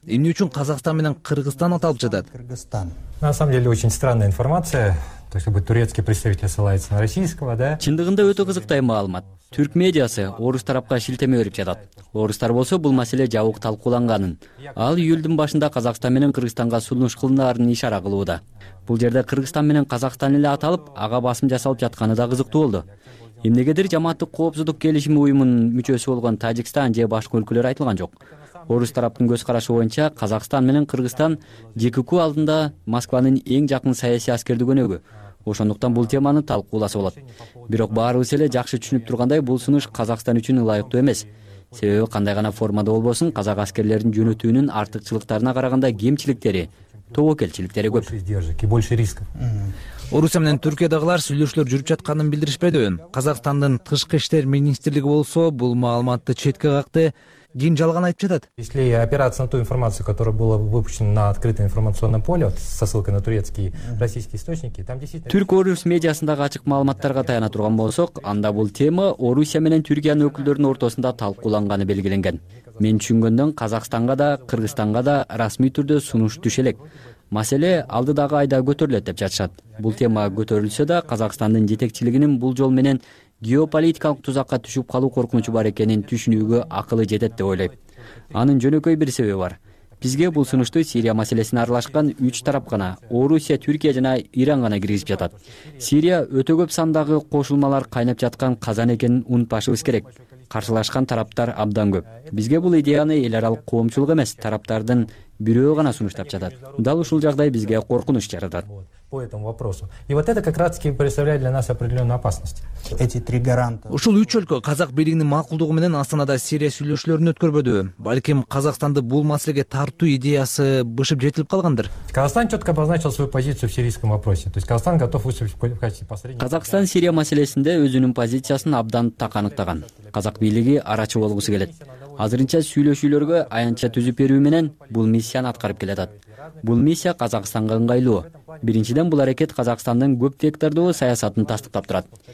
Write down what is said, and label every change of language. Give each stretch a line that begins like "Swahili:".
Kyrgyz: Эмне үчүн Казакстан менен Кыргызстан аталып жатат?
Russian: На самом деле очень странная информация. То есть турецкий представитель ссылается на российского, да?
Kyrgyz: Чындыгында өтө кызыктай маалымат. Түрк медиасы орус тарапка шилтеме берип жатат. Орустар болсо бул маселе жабык талкууланганын, ал июлдун башында Казакстан менен Кыргызстанга сунуш кылынаарын ишара кылууда. Бул жерде Кыргызстан менен Казакстан эле аталып, ага басым жасалып жатканы да кызыктуу болду. Эмнегедир жамааттык коопсуздук келишими уюмунун мүчөсү болгон Тажикстан же башка өлкөлөр айтылган жок. Орус тараптын көз карашы боюнча Казакстан менен Кыргызстан ЖКК алдында Москванын эң жакын саясий аскердик өнөгү. Ошондуктан бул теманы талкууласа болот. Бирок баарыбыз эле жакшы түшүнүп тургандай бул сунуш Казакстан үчүн ылайыктуу эмес. Себеби кандай гана формада болбосун, казак аскерлерин жөнөтүүнүн артыкчылыктарына караганда кемчиликтери, тобокелчиликтери көп. Орусия менен Түркиядагылар сүйлөшүүлөр жүрүп жатканын билдиришпеди. Казакстандын тышкы иштер министрлиги болсо бул маалыматты четке какты. Дин жалган айтып жатат.
Russian: Если опираться на ту информацию, которая была выпущена на открытое информационное поле, вот со ссылкой на турецкие, российские источники, там действительно...
Kyrgyz: Түрк орус медиасындагы ачык маалыматтарга таяна турган болсок, анда бул тема Орусия менен Түркиянын өкүлдөрүнүн ортосунда талкууланганы белгиленген. Мен түшүнгөндөн Казакстанга да, Кыргызстанга да расмий түрдө сунуш түшө элек. Маселе алдыдагы айда көтөрүлөт деп жатышат. Бул тема көтөрүлсө да, Казакстандын жетекчилигинин бул жол менен геополитикалык тузакка түшүп калуу коркунучу бар экенин түшүнүүгө акылы жетет деп ойлойм. Анын жөнөкөй бир себеби бар. Бизге бул сунушту Сирия маселесине аралашкан үч тарап гана, Орусия, Түркия жана Иран гана киргизип жатат. Сирия өтө көп сандагы кошулмалар кайнап жаткан казан экенин унутпашыбыз керек. Каршылашкан тараптар абдан көп. Бизге бул идеяны эл аралык коомчулук эмес, тараптардын бирөө гана сунуштап жатат. Дал ушул жагдай бизге коркунуч жаратат.
Russian: По этому вопросу. И вот это как раз-таки представляет для нас определенную опасность. Эти три гаранта.
Kyrgyz: Ушул үч өлкө казак бийлигинин макулдугу менен Астанада Сирия сүйлөшүүлөрүн өткөрбөдү. Балким Казакстанды бул маселеге тартуу идеясы бышып жетилип калгандыр.
Russian: Казакстан четко обозначил свою позицию в сирийском вопросе. То есть Казакстан готов выступить в качестве посредника.
Kyrgyz: Казакстан Сирия маселесинде өзүнүн позициясын абдан так аныктаган. Казак бийлиги арачы болгусу келет. Азырынча сүйлөшүүлөргө аянча түзүп берүү менен бул миссияны аткарып келатат. Бул миссия Казакстанга ыңгайлуу. Биринчиден бул аракет Казакстандын көп вектордуу саясатын тастыктап турат.